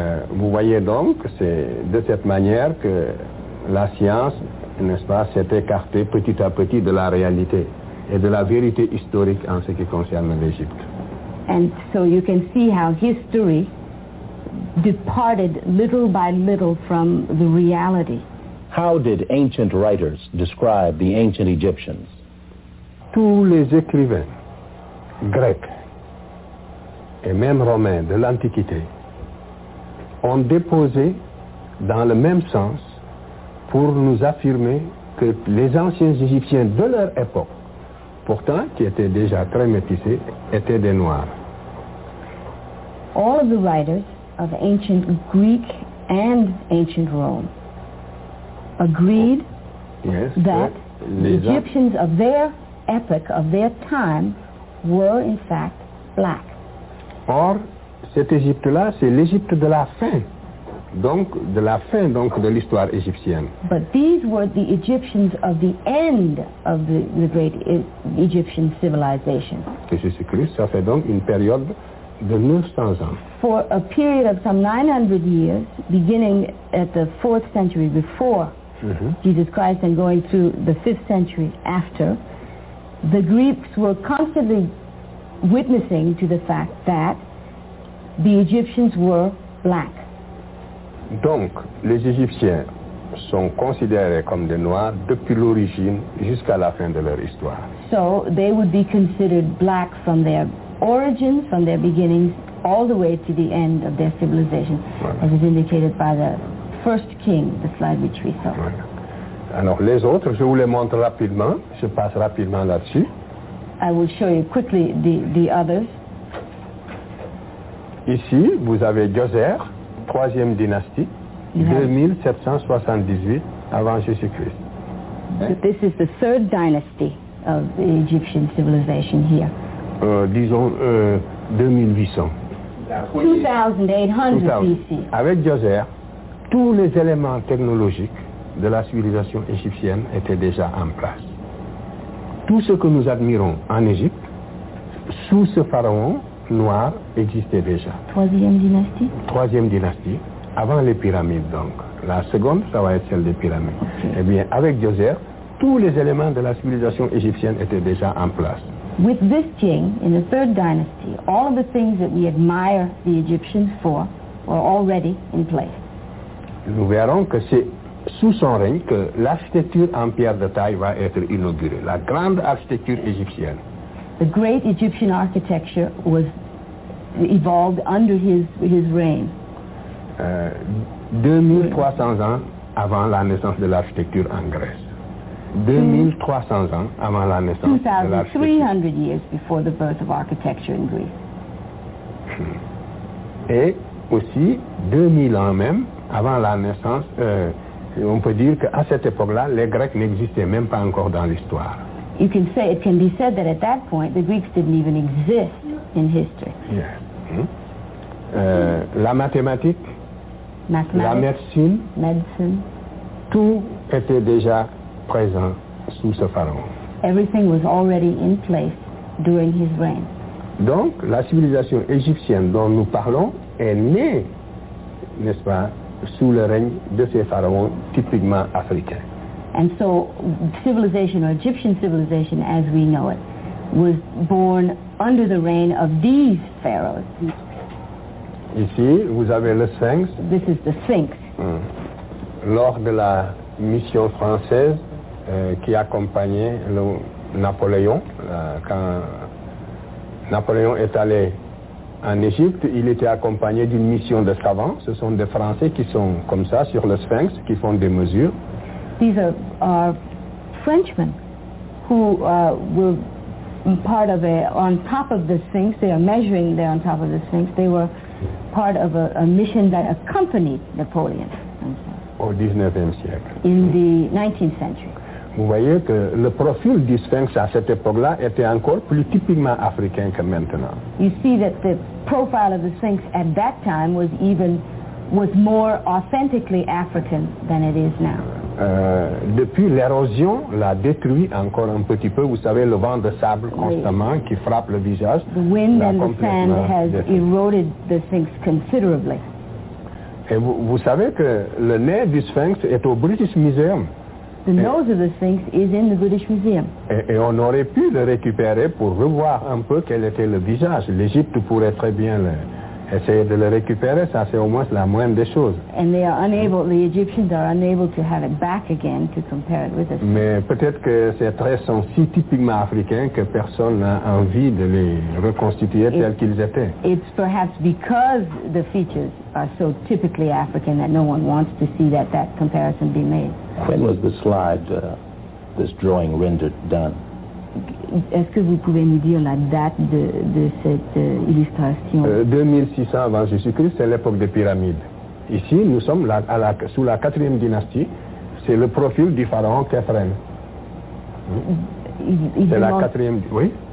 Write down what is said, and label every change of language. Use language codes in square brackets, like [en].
[fr] Vous voyez donc que c'est de cette manière que la science, n'est-ce pas, s'est écartée petit à petit de la réalité et de la vérité historique en ce qui concerne l'Égypte. [en] And so you can see how history departed little by little from the reality. How did ancient writers describe the ancient Egyptians? [fr] Tous les écrivains grecs et même romains de l'Antiquité ont déposé dans le même sens pour nous affirmer que les anciens Égyptiens de leur époque, pourtant qui étaient déjà très métissés, étaient des Noirs. [en] All of the writers of ancient Greek and ancient Rome agreed that the Egyptians of their epoch, of their time, were in fact black. [fr] Or, cette Égypte-là, c'est l'Égypte de la fin Donc, de la fin, donc, de l'histoire égyptienne. [en] But these were the Egyptians of the end of the great Egyptian civilization. [fr] Jésus-Christ, ça fait donc une période de 900 ans. [en] For a period of some 900 years, beginning at the 4th century before Jesus Christ and going through the 5th century after, the Greeks were constantly witnessing to the fact that the Egyptians were black. [fr] Donc, les Égyptiens sont considérés comme des Noirs depuis l'origine jusqu'à la fin de leur histoire. [en] So, they would be considered black from their origins, from their beginnings, all the way to the end of their civilization, [fr] voilà. [en] As is indicated by the first king, the slide which we saw. [fr] Voilà. Alors, les autres, je vous les montre rapidement, je passe rapidement là-dessus. [en] I will show you quickly the others. [fr] Ici, vous avez Djoser. Troisième dynastie, 2778 avant Jésus-Christ. [en] But this is the third dynasty of the Egyptian civilization here. [fr] Disons 2800 [en] BC. [fr] Avec Djoser, tous les éléments technologiques de la civilisation égyptienne étaient déjà en place. Tout ce que nous admirons en Égypte, sous ce pharaon, noir existait déjà. Troisième dynastie. Avant les pyramides, donc. La seconde, ça va être celle des pyramides. [en] Okay. [fr] Eh bien, avec Djoser, tous les éléments de la civilisation égyptienne étaient déjà en place. [en] With this king, in the third dynasty, all of the things that we admire the Egyptians for were already in place. [fr] Nous verrons que c'est sous son règne que l'architecture en pierre de taille va être inaugurée. La grande architecture égyptienne. [en] The great Egyptian architecture was evolved under his reign. [fr] 2300 ans avant la naissance de l'architecture en Grèce. 2300 ans avant la naissance de l'architecture. [en] 2300 years before the birth of architecture in Greece. [fr] Et aussi 2000 ans même avant la naissance, on peut dire qu'à cette époque-là, les Grecs n'existaient même pas encore dans l'histoire. [en] You can say, it can be said that at that point, the Greeks didn't even exist in history. Yes. [fr] La mathématique, [en] mathematics, [fr] la médecine, [en] medicine, [fr] tout était déjà présent sous ce pharaon. [en] Everything was already in place during his reign. [fr] Donc, la civilisation égyptienne dont nous parlons est née, n'est-ce pas, sous le règne de ces pharaons typiquement africains. [en] And so civilization, or Egyptian civilization as we know it, was born under the reign of these pharaohs. [fr] Ici, vous avez le Sphinx. [en] This is the Sphinx. [fr] Lors de la mission française qui accompagnait le Napoléon, quand Napoléon est allé en Égypte, il était accompagné d'une mission de savants. Ce sont des Français qui sont comme ça sur le Sphinx, qui font des mesures. [en] These are Frenchmen who were part of on top of the Sphinx. They are measuring there on top of the Sphinx. They were part of a mission that accompanied Napoleon. [fr] Au 19th siècle. [en] In the 19th century. [fr] Vous voyez que le profil du Sphinx à cette époque-là était encore plus typiquement africain que maintenant. [en] You see that the profile of the Sphinx at that time was more authentically African than it is now. [fr] Depuis, l'érosion l'a détruit encore un petit peu. Vous savez, le vent de sable constamment qui frappe le visage. [en] The wind and the sand has eroded the Sphinx considerably. [fr] Et vous savez que le nez du Sphinx est au British Museum. [en] The nose of the Sphinx is in the British Museum. [fr] Et on aurait pu le récupérer pour revoir un peu quel était le visage. L'Égypte pourrait très bien le... Essayer de le récupérer, ça c'est au moins la moindre des choses. [en] And they are unable, the Egyptians are unable to have it back again to compare it with us. [fr] Mais peut-être que ces traits sont si typiquement africains que personne n'a envie de les reconstituer tels qu'ils étaient. [en] It's perhaps because the features are so typically African that no one wants to see that comparison be made. When was the slide, this drawing rendered done? [fr] Est-ce que vous pouvez nous dire la date de cette illustration? 2600 avant Jésus-Christ, c'est l'époque des pyramides. Ici, nous sommes sous la 4e dynastie. C'est le profil du pharaon Khéphren. C'est la 4e... Oui?